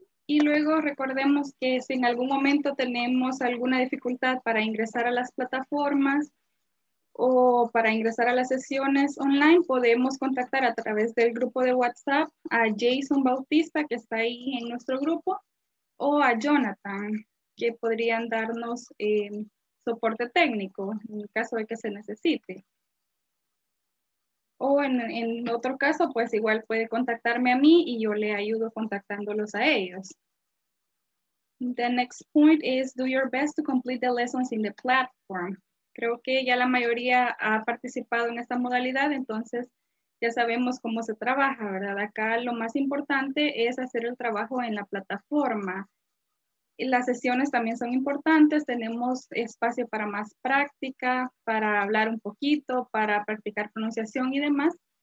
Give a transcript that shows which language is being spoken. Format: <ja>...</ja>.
<es>Y luego recordemos que si en algún momento tenemos alguna dificultad para ingresar a las plataformas o para ingresar a las sesiones online, podemos contactar a través del grupo de WhatsApp a Jason Bautista, que está ahí en nuestro grupo, o a Jonathan, que podrían darnos soporte técnico en caso de que se necesite. O en otro caso, pues igual puede contactarme a mí y yo le ayudo contactándolos a ellos.</es> <en>The next point is do your best to complete the lessons in the platform.</en> <es>Creo que ya la mayoría ha participado en esta modalidad, entonces ya sabemos cómo se trabaja, ¿verdad? Acá lo más importante es hacer el trabajo en la plataforma. Y las sesiones también son importantes, tenemos espacio para más práctica, para hablar un poquito, para practicar pronunciación y demás.</es>